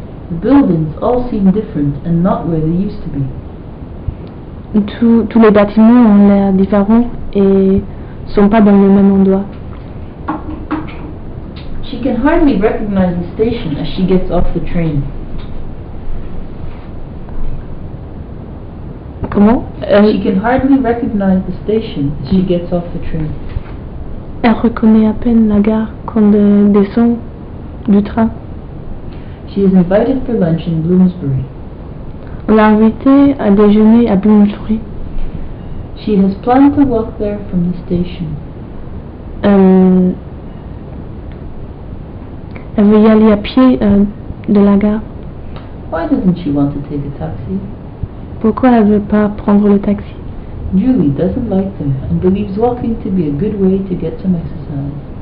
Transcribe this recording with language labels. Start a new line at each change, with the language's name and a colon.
English: The buildings all seem different and not where they used to be.
French: Tous les bâtiments ont l'air différents et sont pas dans le même endroit.
English: She can hardly recognize the station as she gets off the train.
French: Comment?
English: She can hardly recognize the station as she gets off the train.
French: Elle reconnaît à peine la gare quand elle descend du train.
English: She is invited for lunch in Bloomsbury.
French: On l'a invitée à déjeuner à Bloomsbury.
English: She has planned to walk there from the station.
French: Elle veut y aller à pied de la gare.
English: Why doesn't she want to take a taxi?
French: Pourquoi elle ne veut pas prendre le taxi?
English: Julie doesn't like them and believes walking to be a good way to get some exercise.